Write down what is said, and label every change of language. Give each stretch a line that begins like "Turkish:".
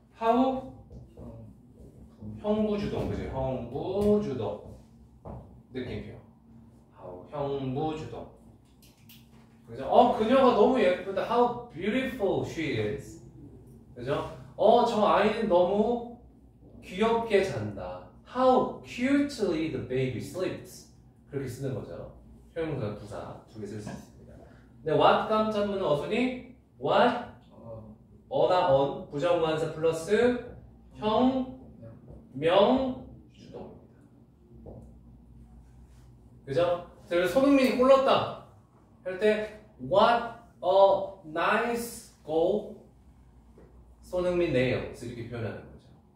Korean: How? 형부주동, 그죠? 형부주동 느낌표. 형부주동. 그죠? 어, 그녀가 너무 예쁘다.
English: How beautiful she is.
Korean: 그죠? 어, 저 아이는 너무 귀엽게 잔다.
English: How cutely the baby sleeps.
Korean: 그렇게 쓰는 거죠. 형용사, 부사 두 개 쓸 수 있습니다. 근데 what 감탄문은 어순이?
English: What?
Korean: 어나 언 부정관사 플러스 형 명 주동. 그죠? 그래서 손흥민이 골랐다 할 때
English: What a nice goal
Korean: 손흥민
English: nails
Korean: 이렇게 표현하는 거죠.